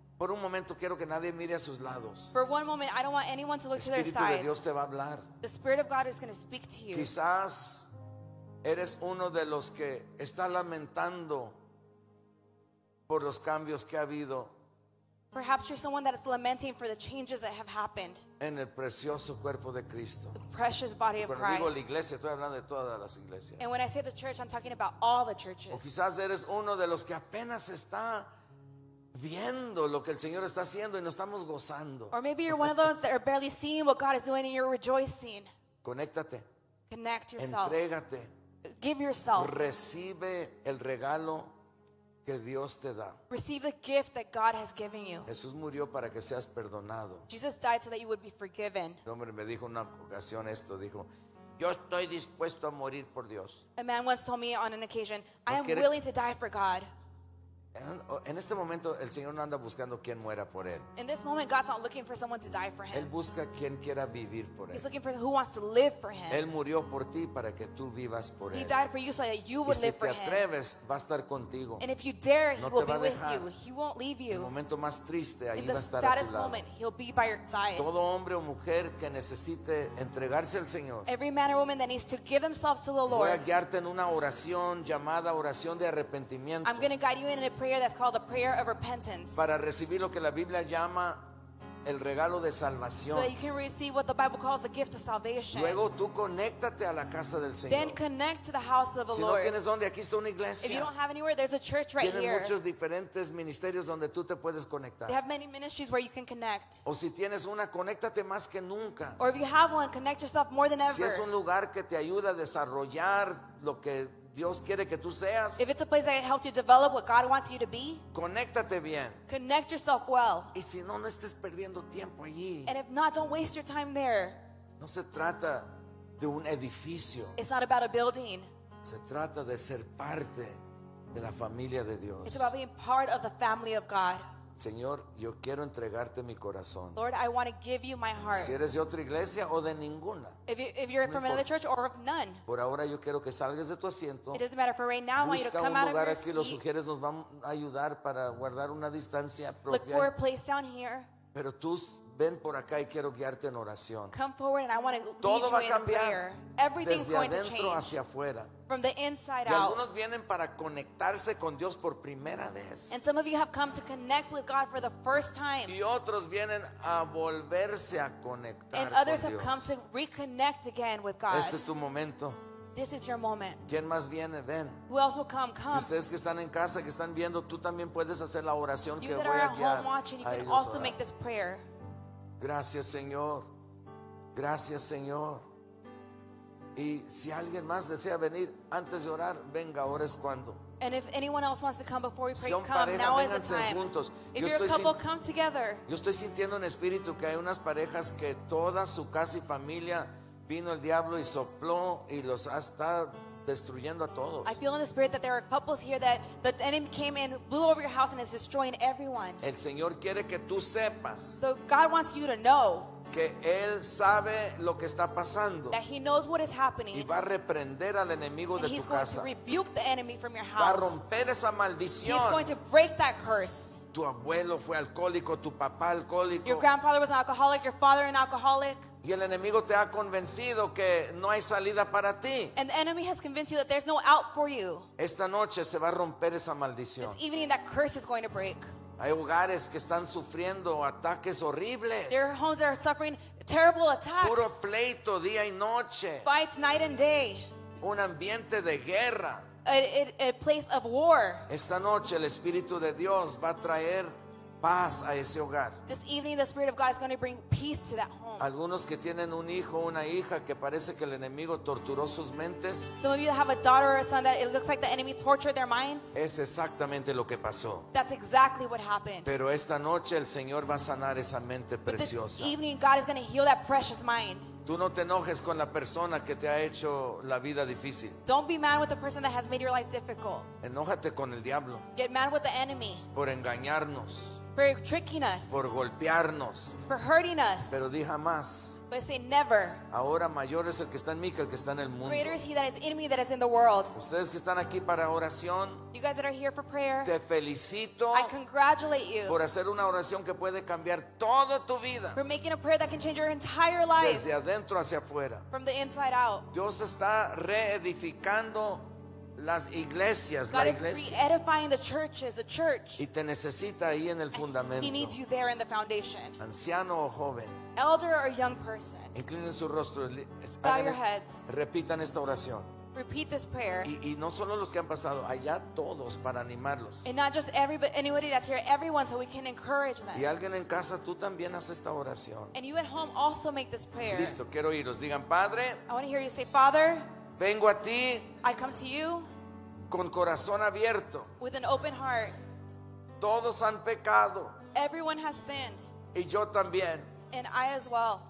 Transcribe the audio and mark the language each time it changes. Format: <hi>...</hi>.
<es>Por un momento quiero que nadie mire a sus lados.</es> <en>For one moment, I don't want anyone to look to their sides.</en> <es>El Espíritu de Dios te va a hablar.</es> <en>The Spirit of God is going to speak to you.</en> <es>Quizás eres uno de los que está lamentando por los cambios que ha habido.</es> <en>Perhaps you're someone that is lamenting for the changes that have happened.</en> <es>En el precioso cuerpo de Cristo.</es> <en>The precious body of Christ.</en> <es>Cuando digo la iglesia, estoy hablando de todas las iglesias.</es> <en>And when I say the church, I'm talking about all the churches.</en> <es>O quizás eres uno de los que apenas está viendo lo que el Señor está haciendo y nos estamos gozando.</es> <en>Or maybe you're one of those that are barely seeing what God is doing and you're rejoicing.</en> <es>Conéctate.</es> <en>Connect yourself.</en> <es>Entrégate.</es> <en>Give yourself.</en> <es>Recibe el regalo que Dios te da.</es> <en>Receive the gift that God has given you.</en> <es>Jesús murió para que seas perdonado.</es> <en>Jesus died so that you would be forgiven.</en> <es>Un hombre me dijo una ocasión esto, dijo, yo estoy dispuesto a morir por Dios.</es> <en>A man once told me on an occasion, I am willing to die for God.</en> <es>En este momento el Señor no anda buscando quien muera por él.</es> <en>In this moment God's not looking for someone to die for him.</en> <es>Él busca quien quiera vivir por él.</es> <en>He's looking for who wants to live for him.</en> <es>Él murió por ti para que tú vivas por él.</es> <en>He died for you so that you would live for him.</en> <es>Y si te atreves, va a estar contigo.</es> <en>And if you dare,</en> <es>no</es> <en>he will be with</en> <es>dejar.</es> <en>You. He won't leave you.</en> <es>El momento más triste ahí</es> <en>in</en> <es>va a estar</es> <en>the saddest moment, he'll be by your side.</en> <es>Todo hombre o mujer que necesite entregarse al Señor.</es> <en>Every man or woman that needs to give themselves to the Lord.</en> <es>Voy a guiarte en una oración llamada oración de arrepentimiento.</es> <en>I'm going to guide you in a prayer that's called the prayer of repentance.</en> <es>Para recibir lo que la Biblia llama el regalo de salvación.</es> <en>So that you can receive what the Bible calls the gift of salvation.</en> <es>Luego tú conéctate a la casa del Señor.</es> <en>Then connect to the house of the</en> <es>si</es> <en>Lord.</en> <es>Si no tienes donde, aquí está una iglesia.</es> <en>If you don't have anywhere, there's a church right</en> <es>tienen</es> <en>here.</en> <es>Tienen muchos diferentes ministerios donde tú te puedes conectar.</es> <en>They have many ministries where you can connect.</en> <es>O si tienes una, conéctate más que nunca.</es> <en>Or if you have one, connect yourself more than ever.</en> <es>Si es un lugar que te ayuda a desarrollar lo que Dios quiere que tú seas.</es> <en>If it's a place that helps you develop what God wants you to be,</en> <es>conéctate bien.</es> <en>Connect yourself well.</en> <es>Y si no, no estés perdiendo tiempo allí.</es> <en>And if not, don't waste your time there.</en> <es>No se trata de un edificio.</es> <en>It's not about a building.</en> <es>Se trata de ser parte de la familia de Dios.</es> <en>It's about being part of the family of God.</en> <es>Señor, yo quiero entregarte mi corazón.</es> <en>Lord, I want to give you my heart.</en> <es>Si eres de otra iglesia o de ninguna.</es> <en>If you're no from another church or of none.</en> <es>Por ahora yo quiero que salgas de tu asiento.</es> <en>It doesn't matter for right now. I want you to come out of your seat.</en> <es>Busca un lugar aquí. Los sugieres nos van a ayudar para guardar una distancia propia.</es> <en>Look for a place down here.</en> <es>Pero tú ven por acá y quiero guiarte en oración.</es> <en>Come forward and I want to lead</en> <es>todo</es> <en>you</en> <es>va a cambiar.</es> <en>In prayer. Everything's</en> <es>desde</es> <en>going</en> <es>adentro</es> <en>to change.</en> <es>Hacia afuera.</es> <en>From the inside</en> <es>y</es> <en>out.</en> <es>Algunos vienen para conectarse con Dios por primera vez.</es> <en>And some of you have come to connect with God for the first time.</en> <es>Y otros vienen a volverse a conectar</es> <en>and</en> <es>con Dios.</es> <en>Others have come to reconnect again with God.</en> <es>Este es tu momento.</es> <en>This is your moment.</en> <es>¿Quién más viene? Ven.</es> <en>Who else will come? Come.</en> <es>Y ustedes que están en casa, que están viendo, tú también puedes hacer la oración</es> <en>you</en> <es>que voy a guiar.</es> <en>You that are at home watching, you can also</en> <es>orar.</es> <en>Make this prayer.</en> <es>Gracias, Señor. Gracias, Señor. Y si alguien más desea venir antes de orar, venga, ahora es cuando.</es> <en>And if anyone else wants to come before we pray,</en> <es>si son pareja,</es> <en>come. Now is the time.</en> <es>Juntos.</es> <en>If you're a couple, come together.</en> <es>Yo estoy sintiendo en espíritu que hay unas parejas que toda su casa y familia vino el diablo y sopló y los ha estado destruyendo a todos.</es> <en>I feel in the spirit that there are couples here that the enemy came in, blew over your house and is destroying everyone.</en> <es>El Señor quiere que tú sepas.</es> <en>So God wants you to know.</en> <es>que él sabe lo que está pasando,</es> <en>that he knows what is happening,</en> <es>y va a reprender al enemigo</es> <en>and</en> <es>de tu casa.</es> <en>He's going to rebuke the enemy from your house.</en> <es>Va a romper esa maldición.</es> <en>He's going to break that curse.</en> <es>Tu abuelo fue alcohólico, tu papá alcohólico.</es> <en>Your grandfather was an alcoholic, your father an alcoholic.</en> <es>Y el enemigo te ha convencido que no hay salida para ti.</es> <en>And the enemy has convinced you that there's no out for you.</en> <es>Esta noche se va a romper esa maldición.</es> <en>This evening that curse is going to break.</en> <es>Hay hogares que están sufriendo ataques horribles.</es> <en>There are homes that are suffering terrible attacks.</en> <es>Puro pleito día y noche.</es> <en>Fights night and day.</en> <es>Un ambiente de guerra.</es> <en>A place of war.</en> <es>Esta noche el Espíritu de Dios va a traer paz a ese hogar.</es> <en>This evening the Spirit of God is going to bring peace to that home.</en> <es>Algunos que tienen un hijo o una hija que parece que el enemigo torturó sus mentes.</es> <en>Some of you have a daughter or a son that it looks like the enemy tortured their minds.</en> <es>Es exactamente lo que pasó.</es> <en>That's exactly what happened.</en> <es>Pero esta noche el Señor va a sanar esa mente preciosa.</es> <en>But this evening God is going to heal that precious mind.</en> <es>Tú no te enojes con la persona que te ha hecho la vida difícil.</es> <en>Don't be mad with the person that has made your life difficult.</en> <es>Enójate con el diablo.</es> <en>Get mad with the enemy.</en> <es>Por engañarnos.</es> <en>For tricking us.</en> <es>Por golpearnos.</es> <en>For hurting us.</en> <es>Pero di jamás.</es> <en>But say never.</en> <es>Ahora mayor es el que está en mí que el que está en el mundo.</es> <en>Greater is he that is in me that is in the world.</en> <es>Ustedes que están aquí para oración,</es> <en>you guys that are here for prayer,</en> <es>te felicito.</es> <en>I congratulate you.</en> <es>Por hacer una oración que puede cambiar toda tu vida.</es> <en>For making a prayer that can change your entire life.</en> <es>Desde adentro hacia afuera.</es> <en>From the inside out.</en> <es>Dios está reedificando las iglesias,</es> <en>God</en> <es>la iglesia.</es> <en>God is re-edifying the churches, the church.</en> <es>Y te necesita ahí en el fundamento.</es> <en>He needs you there in the foundation.</en> <es>Anciano o joven.</es> <en>Elder or young person.</en> <es>Inclinen su rostro.</es> <en>Bow your heads.</en> <es>Repitan esta oración.</es> <en>Repeat this prayer.</en> <es>Y no solo los que han pasado, allá todos para animarlos.</es> <en>And not just everybody, anybody that's here, everyone, so we can encourage them.</en> <es>Y alguien en casa, tú también haces esta oración.</es> <en>And you at home also make this prayer.</en> <es>Listo, quiero oíros. Digan, Padre.</es> <en>I want to hear you say, Father.</en> <es>Vengo a ti.</es> <en>I come to you.</en> <es>Con corazón abierto.</es> <en>With an open heart.</en> <es>Todos han pecado.</es> <en>Everyone has sinned.</en> <es>Y yo también.</es> <en>And I as well.</en>